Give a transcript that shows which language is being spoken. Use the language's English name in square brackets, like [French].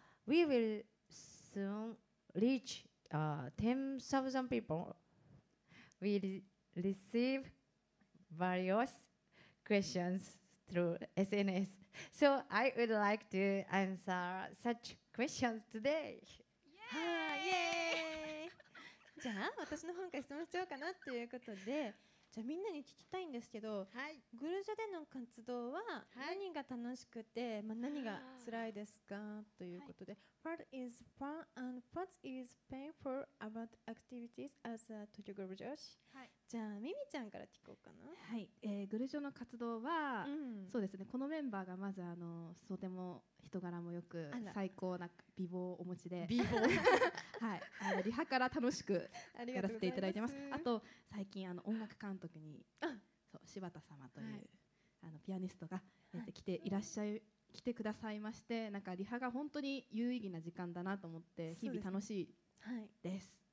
[English] We will soon reach 10,000 people. We receive various questions through SNS. So I would like to answer such questions today. Yay! [Japanese] じゃあ私の方から質問しちゃおうかなということで、じゃあみんなに聞きたいんですけど、はい、グルジョでの活動は何が楽しくて、はい、まあ、何が辛いですかということで、はい、 [English] What is fun and what is painful about activities as a Tokyo グルジョ氏、 [Japanese] はい、じゃあミミちゃんから聞こうかな。はい、グルジョの活動は、うん、そうですね、このメンバーがまずとても人柄もよく最高な美貌をお持ちで、美貌はい、リハから楽しくやらせていただいてます。あと最近音楽監督に、そう、柴田様という、はい、ピアニストが、来ていらっしゃい、来てくださいまして、なんかリハが本当に有意義な時間だなと思って、日々楽しいです。